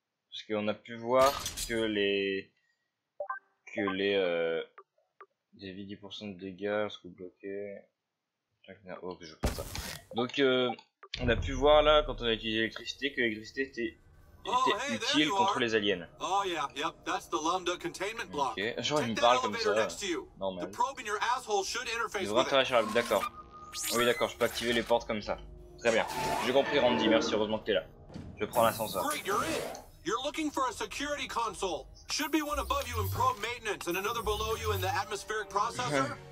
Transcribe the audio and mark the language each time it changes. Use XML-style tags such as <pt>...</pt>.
<fr>Parce qu'on a pu voir que les 10% de dégâts lorsque bloqué. Oh, que je prends ça. Donc on a pu voir là quand on a utilisé l'électricité que l'électricité était utile contre les aliens.</fr> <en>Oh yeah, yep, that's the lambda containment block.</en> <fr>Ok, genre il me parle comme ça. Normal. Il devrait interagir avec. D'accord. Oui d'accord, je peux activer les portes comme ça. Très bien. J'ai compris Randy, merci, heureusement que t'es là. Je prends l'ascenseur.</fr> <en>You're looking for a security console. Should be one above you in probe maintenance and another below you in the atmospheric processor.</en>